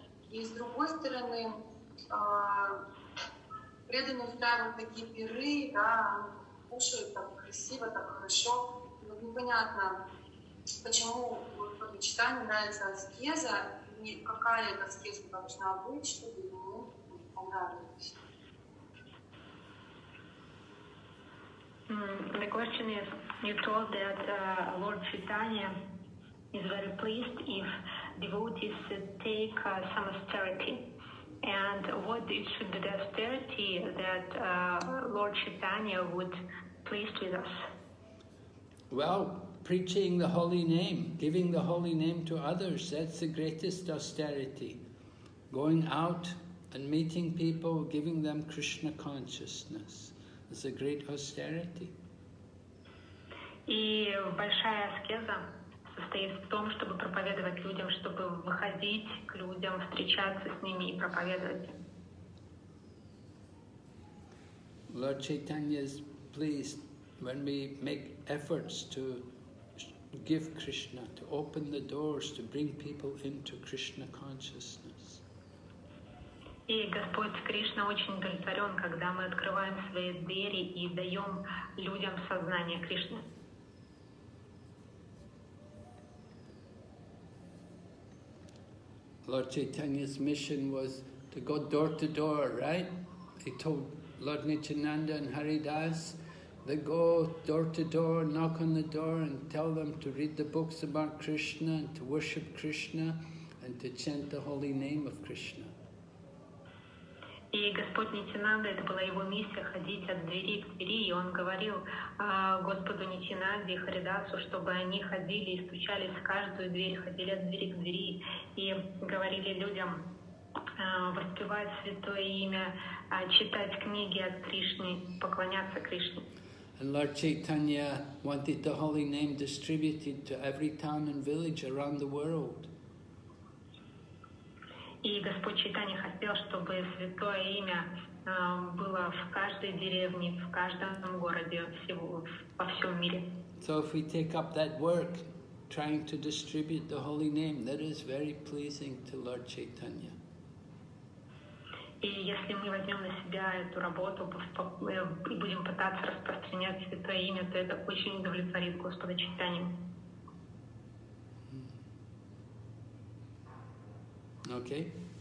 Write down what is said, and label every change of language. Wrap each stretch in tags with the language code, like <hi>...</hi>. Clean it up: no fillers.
<ru>И с другой стороны, преданный ставит такие пиры, да, кушают там красиво, там хорошо, вот непонятно, почему почитание нравится аскеза, не какая эта аскеза должна быть, чтобы ему понравилось.</ru> <en>The question is, you told that Lord Chaitanya is very pleased if devotees take some austerity. And what it should be the austerity that Lord Chaitanya would pleased with us? Well, preaching the holy name, giving the holy name to others, that's the greatest austerity. Going out and meeting people, giving them Krishna consciousness, is a great austerity.</en> <ru>И большая аскеза состоит в том, чтобы проповедовать людям, чтобы выходить к людям, встречаться с ними и проповедовать.</ru> <en>Lord Chaitanya is pleased when we make efforts to give Krishna, to open the doors, to bring people into Krishna consciousness.</en> <ru>И Господь Кришна очень удовлетворен, когда мы открываем свои двери и даем людям сознание Кришны.</ru> <en>Lord Chaitanya's mission was to go door to door, right? He told Lord Nityananda and Haridas, they go door to door, knock on the door and tell them to read the books about Krishna and to worship Krishna and to chant the holy name of Krishna.</en> <ru>И Господь Нитинанда, это была его миссия, ходить от двери к двери, и он говорил Господу Нитинанде и Харидасу, чтобы они ходили и стучались в каждую дверь, ходили от двери к двери и говорили людям воспевать святое имя, читать книги от Кришны, поклоняться Кришне.</ru> <en>And Lord Chaitanya wanted the holy name distributed to every town and village around the world.</en> <ru>И Господь Чайтанья хотел, чтобы святое имя было в каждой деревне, в каждом городе, во всем мире.</ru> <en>So if we take up that work, trying to distribute the holy name, that is very pleasing to Lord Chaitanya.</en> <ru>И если мы возьмем на себя эту работу и будем пытаться распространять Святое Имя, то это очень удовлетворит Господа Чайтанью. Окей.</ru>